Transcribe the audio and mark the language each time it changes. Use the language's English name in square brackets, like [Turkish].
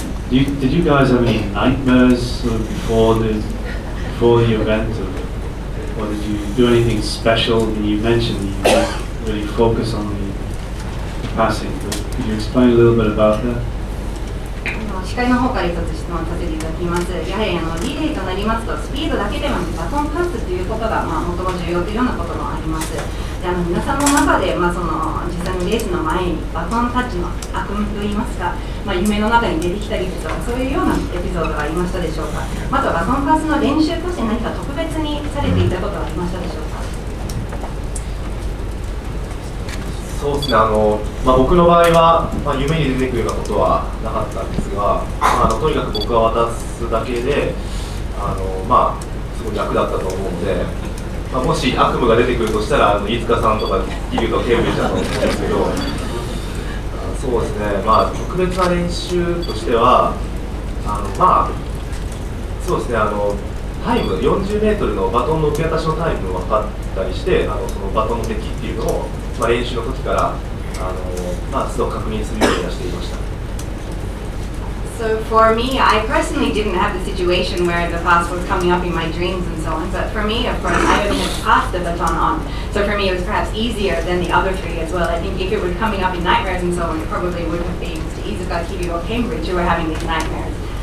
[English] Did you guys have any nightmares sort of before the event? Or did you do anything special? You mentioned that you didn't really focus on the passing. But could you explain a little bit about that? [Japanese] 司会の方から一つ質問させていただきます。やはりリレーとなりますとスピードだけではなくバトンパスということが、最も重要というようなこともあります。で皆さんの中で、その実際のレースの前にバトンタッチの悪夢といいますか、夢の中に出てきたりとかそういうようなエピソードがありましたでしょうか。またバトンパスの練習として何か特別にされていたことはありましたでしょうか。そうですね、僕の場合は、夢に出てくるようなことはなかったんですが、とにかく僕が渡すだけで、すごい楽だったと思うので、もし悪夢が出てくるとしたら飯塚さんとか桐生とケンブリちゃんと思うんですけど、そうですね、特別な練習としては、そうですね、タイム 40m のバトンの受け渡しのタイムを分かったりして、そのバトンの出来っていうのを練習の時から都度確認するようにはしていました。 [English] So for me, I personally didn't have the situation where the pass was coming up in my dreams and so on. But for me, of course, I only had passed the baton on. So for me, it was perhaps easier than the other three as well. I think if it were coming up in nightmares and so on, it probably would have been to Izuka, Kiryu, or Cambridge who were having these nightmares.